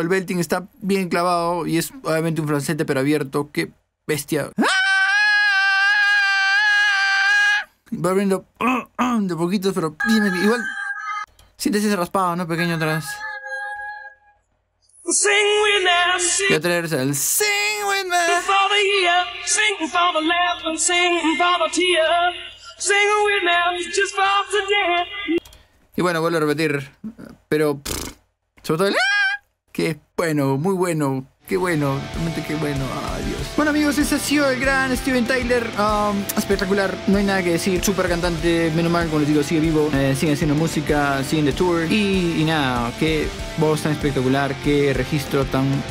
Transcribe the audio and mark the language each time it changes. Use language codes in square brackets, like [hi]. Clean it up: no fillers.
[es] El belting está bien clavado. Y es obviamente un francete, pero abierto. Qué bestia. Va abriendo de poquitos, pero bien, igual. Sientes ese raspado, ¿no? Pequeño atrás. [en] Sing with me, sing. [es] Voy a traer el [en] sing with me. For the year, sing for the laugh and sing for the tear. Sing with me, just for today. [es] Y bueno, vuelvo a repetir, pero sobre todo el que es bueno, muy bueno. Qué bueno, realmente qué bueno, adiós. Bueno amigos, ese ha sido el gran Steven Tyler, espectacular, no hay nada que decir, super cantante, menos mal, como les digo, sigue vivo, sigue haciendo música, sigue en the tour, y nada, qué voz tan espectacular, qué registro tan